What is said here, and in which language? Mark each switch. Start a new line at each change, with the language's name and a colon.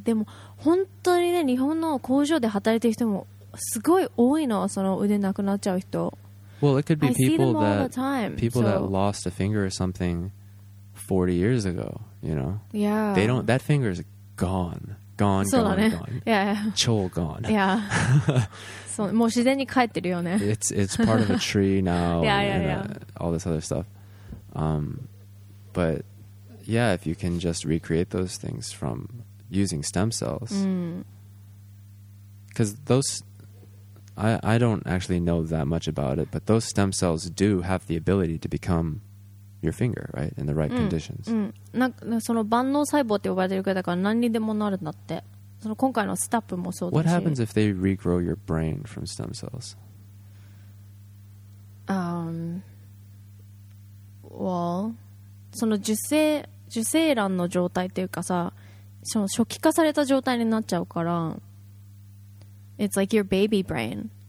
Japanese: でも本当にね、日本の工場で働いてる人もすごい多いの、その腕なくなっちゃう人。
English: Well, it could be people that, time, people that lost a finger or something 40 years ago, you know? Yeah. They don't, that finger is gone. Gone, so gone, yeah. gone. Yeah.
Japanese: 超
English: gone. Yeah. So,
Japanese: もう自然に帰ってるよね。
English: It's part of a tree now. Yeah, yeah, and, yeah. All this other stuff. But, yeah, if you can just recreate those things from using stem cells. Because those... I don't actually know that much about it, but those stem cells do have the ability to become your finger, right? In the right conditions.
Japanese: その万能細胞って呼ばれてるからだから何にでもなるんだって。その今回のスタップもそうだし。
English: What happens if they regrow your brain from stem cells? Well,
Japanese: その受精卵の状態っていうかさ、その初期化された状態になっちゃうから、
English: It's like your baby brain.